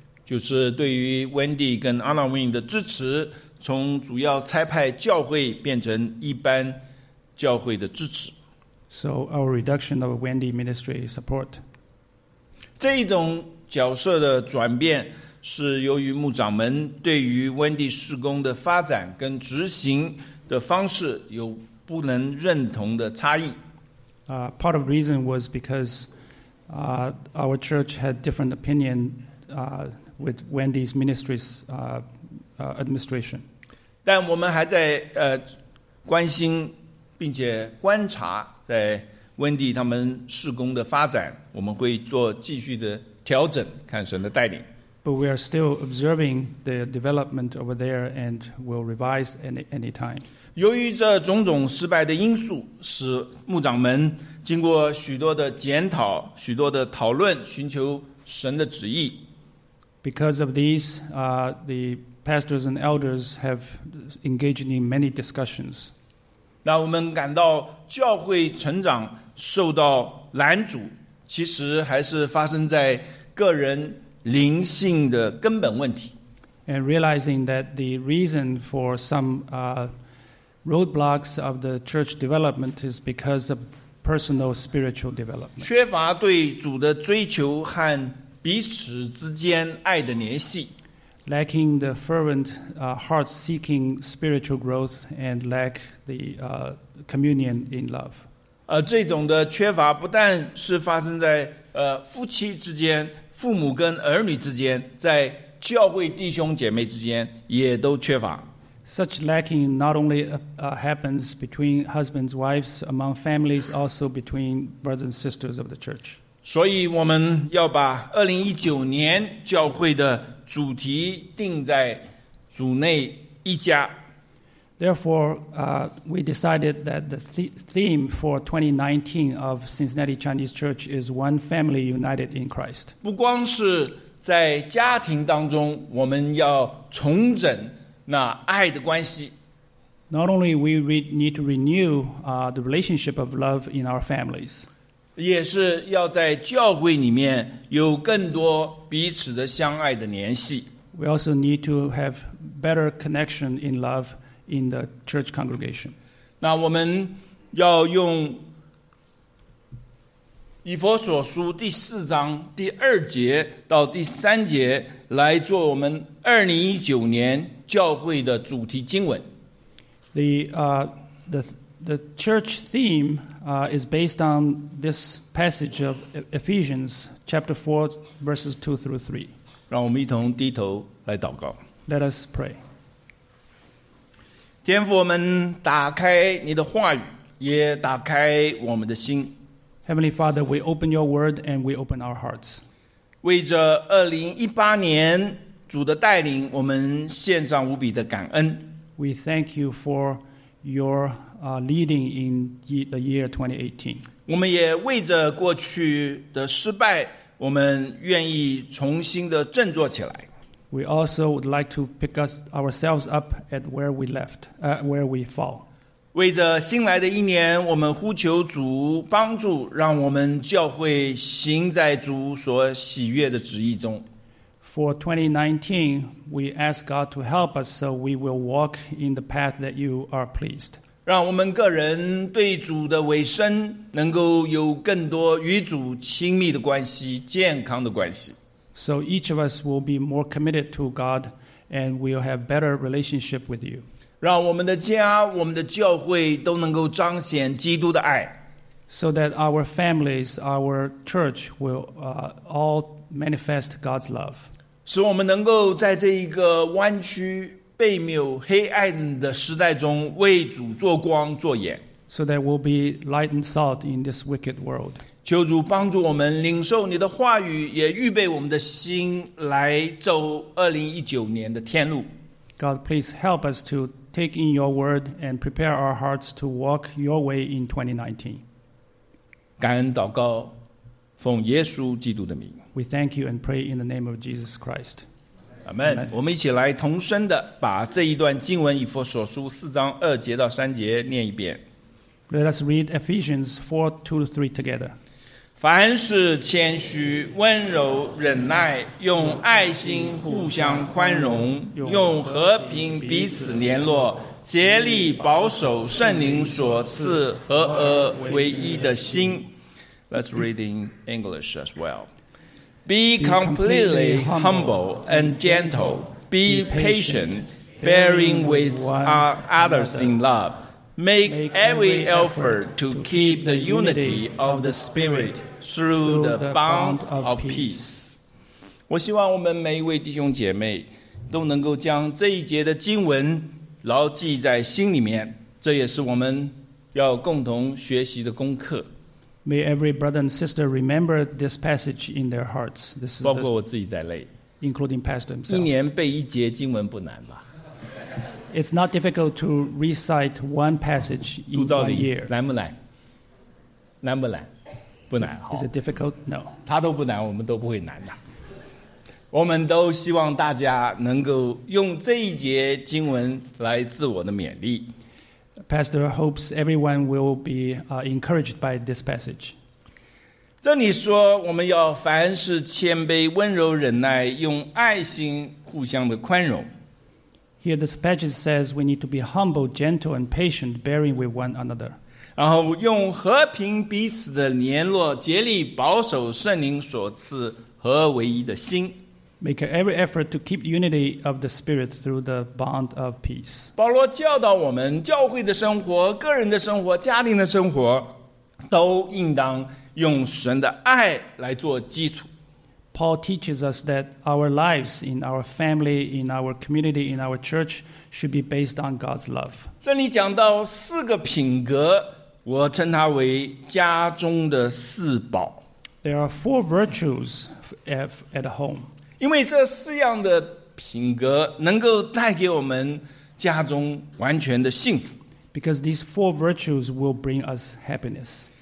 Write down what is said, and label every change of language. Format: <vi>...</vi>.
<zh>就是对于 Wendy 跟 Anna Wing 的支持从主要差派教会变成一般教会的支持。</zh> <en>So our reduction of Wendy ministry support.</en> <zh>这一种角色的转变是由于牧长们对于 Wendy 事工的发展跟执行的方式有不能认同的差异。</zh> <en>Part of the reason was because our church had different opinion with Wendy's ministry's administration.</en> <zh>但我们还在关心并且观察在 Wendy 他们事工的发展，我们会做继续的调整，看神的带领。</zh> <en>But we are still observing the development over there and will revise any time.</en> <zh>由于这种种失败的因素，使牧长们经过许多的检讨、许多的讨论，寻求神的旨意。</zh> <en>Because of these, the Pastors and elders have engaged in many discussions.</en> <zh>那我们感到教会成长受到拦阻，其实还是发生在个人灵性的根本问题。</zh> <en>And realizing that the reason for some roadblocks of the church development is because of personal spiritual development.</en> <zh>缺乏对主的追求和彼此之间爱的联系。</zh> <en>Lacking the fervent heart-seeking spiritual growth and lack the communion in love.</en> <zh>这种的缺乏不但是发生在夫妻之间、父母跟儿女之间，在教会弟兄姐妹之间也都缺乏。</zh> <en>Such lacking not only happens between husbands, wives, among families, also between brothers and sisters of the church.</en> <zh>所以我们要把2019年教会的主题定在主内一家。</zh> <en>Therefore, we decided that the theme for 2019 of Cincinnati Chinese Church is One Family United in Christ.</en> <zh>不光是在家庭当中，我们要重整那爱的关系。</zh> <en>Not only we need to renew the relationship of love in our families,</en> <zh>也是要在教会里面有更多彼此的相爱的联系。</zh> <en>We also need to have better connection in love in the church congregation.</en> <zh>那我们要用以弗所书第四章第二节到第三节来做我们2019年教会的主题经文。</zh> <en>The church theme is based on this passage of Ephesians chapter 4 verses 2 through 3.</en> <zh>让我们一同低头来祷告。</zh> <en>Let us pray.</en> <zh>天父，我们打开你的话语，也打开我们的心。</zh> <en>Heavenly Father, we open your word and we open our hearts.</en> <zh>为着2018年主的带领，我们献上无比的感恩。</zh> <en>We thank you for your leading in the year 2018.</en> <zh>我们也为着过去的失败，我们愿意重新的振作起来。</zh> <en>We also would like to pick us ourselves up at where we left, where we fall.</en> <zh>为着新来的一年，我们呼求主帮助，让我们教会行在主所喜悦的旨意中。</zh> <en>For 2019, we ask God to help us so we will walk in the path that you are pleased.</en> <zh>让我们个人对主的委身能够有更多与主亲密的关系，健康的关系。</zh> <en>So each of us will be more committed to God and we'll have better relationship with you.</en> <zh>让我们的家，我们的教会都能够彰显基督的爱。</zh> <en>So that our families, our church will all manifest God's love.</en> <zh>使我们能够在这一个弯曲、被谬、黑暗的时代中为主做光、做眼。</zh> <en>So that we'll be light and salt in this wicked world.</en> <zh>求主帮助我们领受你的话语，也预备我们的心来走2019年的天路。</zh> <en>God, please help us to take in your word and prepare our hearts to walk your way in 2019.</en> <zh>感恩祷告，奉耶稣基督的名。</zh> <en>We thank you and pray in the name of Jesus Christ. Amen.</en> <zh>我们一起来同声的把这一段经文以弗所书四章二节到三节念一遍。</zh> <en>Let us read Ephesians 4, 2 to 3 together.</en> <zh>凡事谦虚、温柔、忍耐，用爱心互相宽容，用和平彼此联络，竭力保守圣灵所赐合而为一的心。</zh> <en>Let's read in English as well. Be completely humble and gentle. Be patient, bearing with others in love. Make every effort to keep the unity of the Spirit through the bond of peace.</en> <zh>我希望我们每一位弟兄姐妹都能够将这一节的经文牢记在心里面，这也是我们要共同学习的功课。</zh> <en>May every brother and sister remember this passage in their hearts. This is</en> <zh>包括我自己在内</zh> <en>including pastor himself.</en> <zh>一年背一节经文不难吧？</zh> <en>It's not difficult to recite one passage in a year.</en> <zh>难不难？难不难？不难。</zh> <en>Is it difficult? No.</en> <zh>他都不难，我们都不会难的。我们都希望大家能够用这一节经文来自我的勉励。</zh> <en>Pastor hopes everyone will be encouraged by this passage.</en> <zh>这里说我们要凡事谦卑、温柔、忍耐，用爱心互相的宽容。</zh> <en>Here this passage says we need to be humble, gentle, and patient, bearing with one another.</en> <zh>然后用和平彼此的联络，竭力保守圣灵所赐合为一的心。</zh> <en>Make every effort to keep unity of the Spirit through the bond of peace.</en> <zh>保罗教导我们，教会的生活、个人的生活、家庭的生活，都应当用神的爱来做基础。</zh> <en>Paul teaches us that our lives in our family, in our community, in our church should be based on God's love.</en> <zh>这里讲到四个品格，我称它为家中的四宝。</zh> <en>There are four virtues at home.</en> <zh>因为这四样的品格能够带给我们家中完全的幸福。</zh> <en>Because these four virtues will bring us happiness.</en>